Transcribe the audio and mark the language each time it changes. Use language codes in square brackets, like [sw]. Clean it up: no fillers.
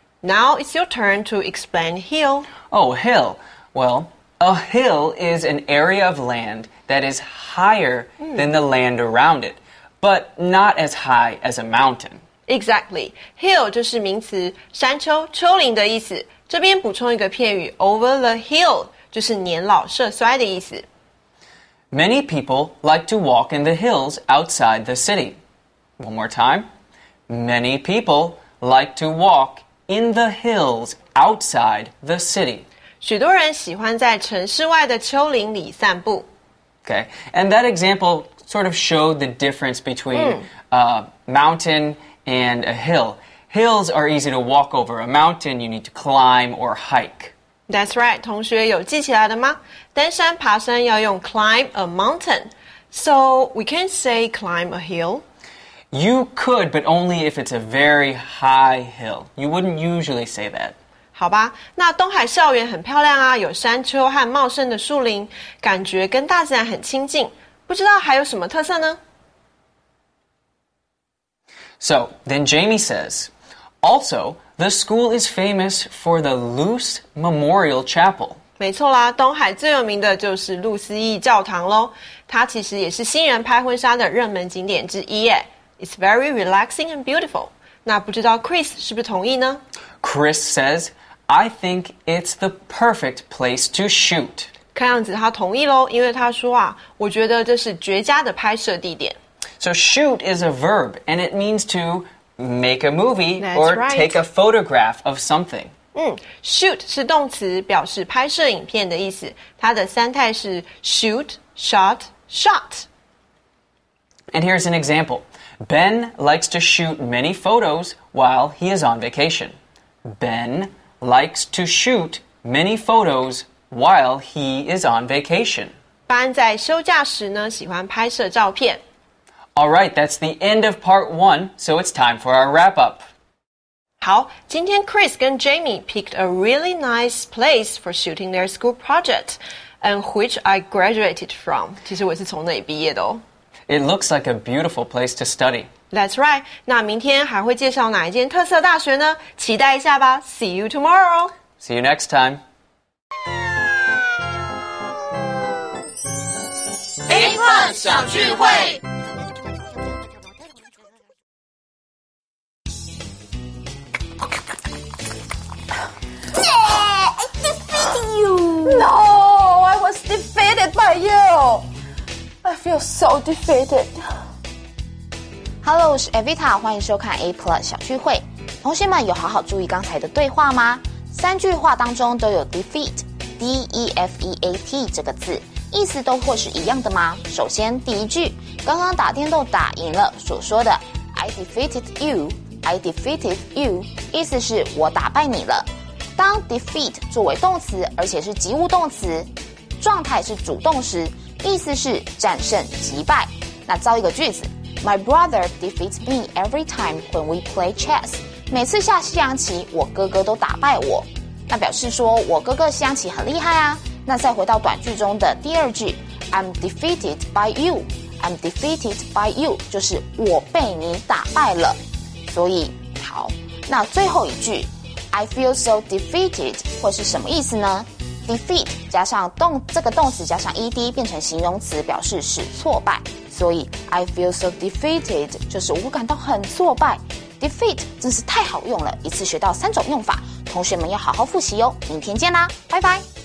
[en] Now it's your turn to explain hill. Oh, hill. Well, a hill is an area of land that is higher than the land around it, but not as high as a mountain. Exactly. [zh] Hill 就是名词山丘、丘陵的意思。这边补充一个片语 [en] over the hill, [zh] 就是年老色衰的意思。 [en] Many people like to walk in the hills outside the city. One more time. Many people like to walk in the hills outside the city. [zh] 许多人喜欢在城市外的丘陵里散步。 [en] Okay, and that example sort of showed the difference between mountain and a hill. Hills are easy to walk over. A mountain you need to climb or hike. That's right. [zh] 同学有记起来的吗？登山爬山要用 [en] climb a mountain. So we can say climb a hill. You could, but only if it's a very high hill. You wouldn't usually say that. [zh] 好吧，那东海校园很漂亮啊，有山丘和茂盛的树林，感觉跟大自然很亲近。不知道还有什么特色呢？ [en] So, then Jamie says, also, the school is famous for the Luce Memorial Chapel. [zh] 没错啦，东海最有名的就是路思义教堂咯。它其实也是新人拍婚纱的热门景点之一耶。 [en] It's very relaxing and beautiful. [zh] 那不知道 Chris 是不是同意呢？ [en] Chris says, I think it's the perfect place to shoot. [zh] 看样子他同意咯，因为他说啊，我觉得这是绝佳的拍摄地点。 [en] So shoot is a verb, and it means to make a movie、 That's、 or、 right. take a photograph of something.、 [zh] shoot 是动词，表示拍摄影片的意思。它的三态是 [en] shoot, shot, shot. And here's an example. Ben likes to shoot many photos while he is on vacation. Ben likes to shoot many photos while he is on vacation. [zh] Ben 在休假时呢，喜欢拍摄照片。 [en] All right, that's the end of part one, so it's time for our wrap-up. [zh] 好，今天 [en] Chris 跟 Jamie picked a really nice place for shooting their school project. and which I graduated from. [zh] 其实我是从那里毕业的哦。 [en] It looks like a beautiful place to study. That's right. [zh] 那明天还会介绍哪一间特色大学呢？期待一下吧。 [en] See you tomorrow. See you next time. [zh] Big Fun 小聚会。 [en] No, I was defeated by you. I feel so defeated. [zh] Hello, 我是 Evita, 欢迎收看 A Plus 小聚会。同学们有好好注意刚才的对话吗？三句话当中都有 defeat, D-E-F-E-A-T 这个字，意思都或是一样的吗？首先第一句，刚刚打电动打赢了所说的 [en] I defeated you, I defeated you, [zh] 意思是我打败你了。当 defeat 作为动词，而且是及物动词，状态是主动时，意思是战胜、击败。那造一个句子 ， [en] My brother defeats me every time when we play chess。 [zh] 每次下西洋棋，我哥哥都打败我。那表示说我哥哥西洋棋很厉害啊。那再回到短句中的第二句 ， [en] I'm defeated by you。 I'm defeated by you， [zh] 就是我被你打败了。所以好，那最后一句。 [en] I feel so defeated [zh] 或是什么意思呢 defeat 加上动这个动词加上 ed 变成形容词表示是挫败所以 I feel so defeated 就是我感到很挫败 defeat 真是太好用了一次学到三种用法同学们要好好复习哦明天见啦拜拜